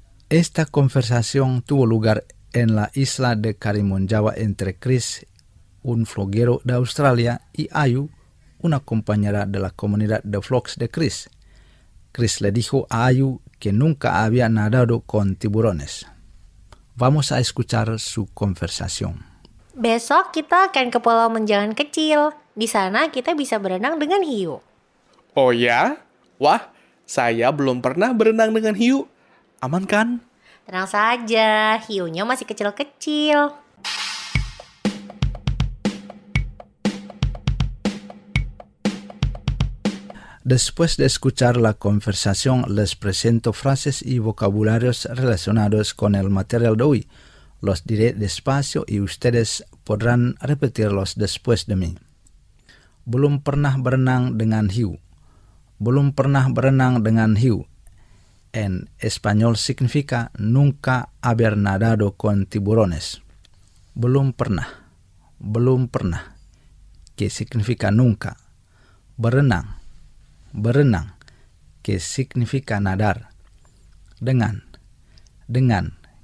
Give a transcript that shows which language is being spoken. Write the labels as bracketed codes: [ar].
[es] Esta conversación tuvo lugar en la isla de Karimun Jawa entre Chris, un floguero de Australia, y Ayu, una compañera de la comunidad de vlogs de Chris. Chris le dijo a Ayu que nunca había nadado con tiburones. Vamos a escuchar su conversación. [id] Besok kita akan ke Pulau Menjangan Kecil. Di sana kita bisa berenang dengan hiu. Oh ya? Wah, saya belum pernah berenang dengan hiu. Aman kan? Tenang saja, hiunya masih kecil-kecil. [es] Después de escuchar la conversación, les presento frases y vocabularios relacionados con el material de hoy. Los diré despacio y ustedes podrán repetirlos después de mí. [id] Belum pernah berenang dengan hiu. Belum pernah berenang dengan hiu. [es] En español significa nunca haber nadado con tiburones. [id] Belum pernah. Belum pernah. [es] Que significa nunca. [id] Berenang. Berenang. [es] Que significa nadar. [id] Dengan. Dengan.